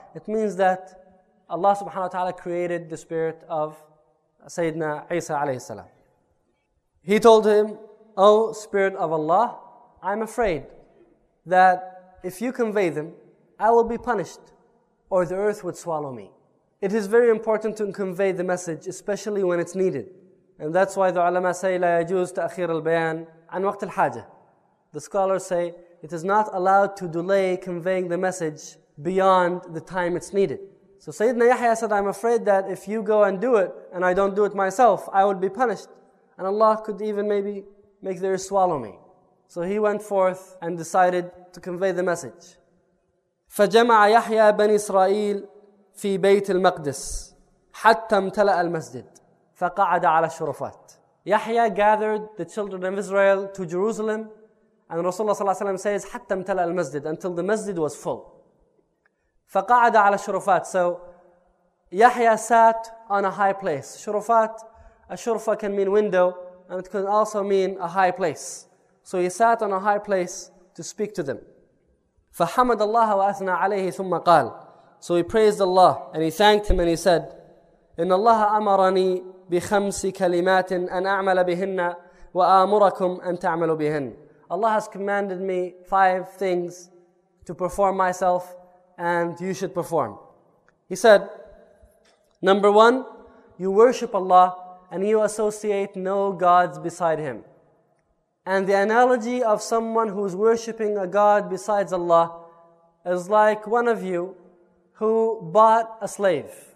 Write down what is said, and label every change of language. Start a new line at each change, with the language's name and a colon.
English: It means that Allah subhanahu wa ta'ala created the spirit of Sayyidina Isa alayhi salam. He told him, Oh, Spirit of Allah, I'm afraid that if you convey them, I will be punished or the earth would swallow me. It is very important to convey the message, especially when it's needed. And that's why the ulama say,
Arabic: لا يجوز تأخير البيان عن وقت الحاجة.
English: The scholars say, it is not allowed to delay conveying the message beyond the time it's needed. So Sayyidina Yahya said, I'm afraid that if you go and do it, and I don't do it myself, I would be punished. And Allah could even maybe make the earth swallow me. So he went forth and decided to convey the message.
Arabic: فَجَمَعَ يَحْيَى بَنِي إِسْرَائِيلِ فِي بَيْتِ الْمَقْدِسِ حَتَّى امْتَلَأَ الْمَسْجِدِ فَقَعَدَ عَلَى الشُّرُفَاتِ.
English: Yahya gathered the children of Israel to Jerusalem, and Rasulullah sallallahu alayhi wa sallam says,
Arabic: حَتَّى امْتَلَأَ الْمَسْجِدِ,
English: until the masjid was full.
Arabic: فَقَعَدَ عَلَى الشُّرُفَاتِ.
English: So Yahya sat on a high place. Shurufat, a shurufa can mean window, and it can also mean a high place. So he sat on a high place to speak to them.
Arabic: فَحَمَدَ اللَّهَ وَأَثْنَى عَلَيْهِ ثُمَّ قَالَ.
English: So he praised Allah, and he thanked him, and he said,
Arabic: إن الله أمرني بخمس كلمات أن أعمل بهن وآمركم أن تعملوا بهن.
English: Allah has commanded me five things to perform myself and you should perform. He said, number one, you worship Allah and you associate no gods beside Him. And the analogy of someone who is worshiping a god besides Allah is like one of you who bought a slave.